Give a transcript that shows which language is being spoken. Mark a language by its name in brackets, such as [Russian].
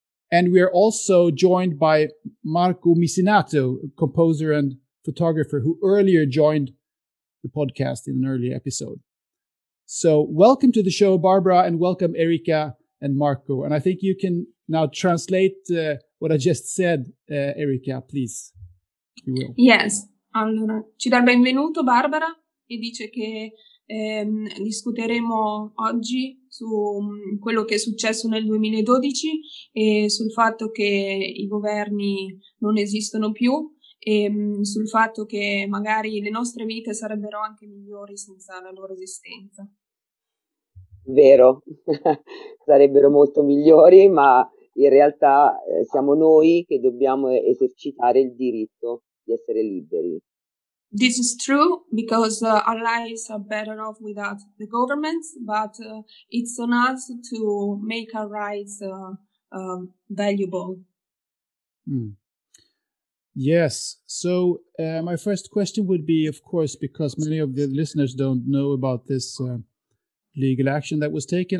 [English] And we are also joined by Marco Misinato, a composer and photographer who earlier joined the podcast in an earlier episode. So welcome to the show, Barbara, and welcome Erika and Marco. And I think you can now translate what I just said, Erika, please. You will. Yes. [Italian] Allora, ci dà benvenuto Barbara e dice che discuteremo oggi su quello che è successo nel 2012 e sul fatto che i governi non esistono più e sul fatto che magari le nostre vite sarebbero anche migliori senza la loro esistenza. Vero, sarebbero molto migliori, ma in realtà siamo noi che dobbiamo esercitare il diritto di essere liberi. [English] This is true because our lives are better off without the governments, but it's on us to make our rights valuable. Mm. Yes, so my first question would be, of course, because many of the listeners don't know about this legal action that was taken.